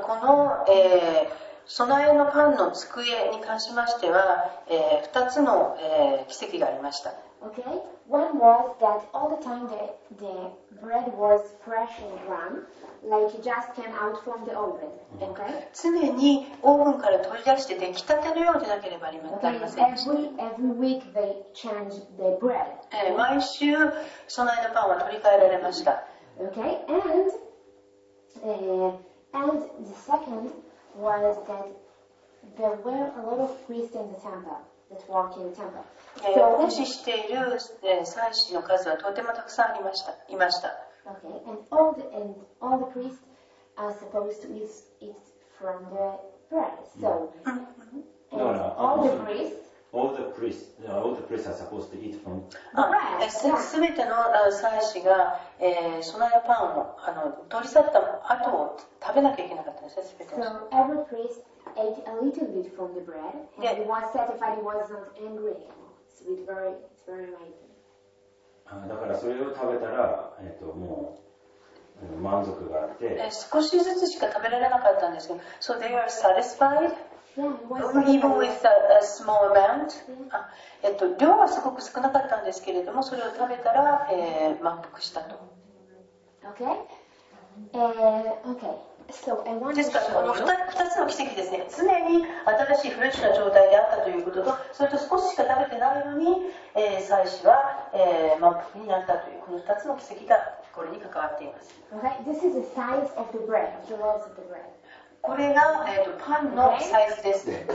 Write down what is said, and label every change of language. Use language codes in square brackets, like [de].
[ja] この、備えのパンの机に関しましては、二つの、奇跡がありました。 [en] Okay. One was that all the time the bread was fresh and warm, like it just came out from the oven. Okay. [ja] 常にオーブンから取り出して出来たてのようでなければありませんでした。 [en] Okay. Every week they changed the bread. [ja] 毎週備えのパンは取り替えられました。 [en] Okay. And the second was that there were a lot of priests in the temple. [ja] 奉仕している祭司の数はとてもたくさんありました。いました。 [en] Okay. And all the priests are supposed to eat it from the bread. So, all the priests are supposed to eat from the bread. [ja] すべての祭司が、備えパンを取り去った後を食べなきゃいけなかったんですね。すべての。 [en] So every priest. Ate a little bit from the bread, and he was satisfied. He was not angry anymore. So it's very amazing. [ja] だからそれを食べたら、もう満足があって。少しずつしか食べられなかったんですけど、 [en] so they are satisfied. Yeah, even with a small amount. Yeah. [ja] 量はすごく少なかったんですけれども、それを食べたら、満腹したと。 [en] Okay. Okay. So、 [ja] ですからこの 2つの奇跡ですね、常に新しいフレッシュな状態であったということと、それと少ししか食べてないのに、祭司は、満腹になったという、この2つの奇跡がこれに関わっています。 [en] Okay, this is the size of the bread, the loaves of the bread. [ja] これが、パンのサイズです。